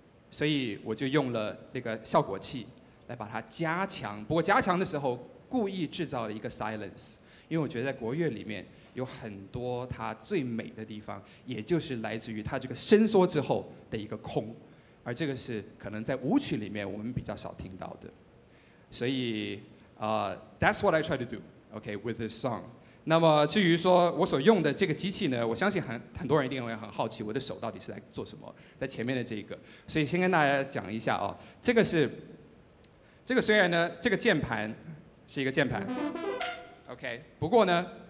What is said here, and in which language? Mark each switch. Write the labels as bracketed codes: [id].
[zh] 所以我就用了那个效果器来把它加强。不过加强的时候，故意制造了一个 silence， 因为我觉得在国乐里面有很多它最美的地方，也就是来自于它这个伸缩之后的一个空，而这个是可能在舞曲里面我们比较少听到的。所以 [en] that's what I try to do, okay, with this song. [zh] 那么至于说我所用的这个机器呢，我相信很多人一定会很好奇我的手到底是来做什么，在前面的这个，所以先跟大家讲一下啊，这个虽然呢，这个键盘是一个键盘 OK， 不过呢，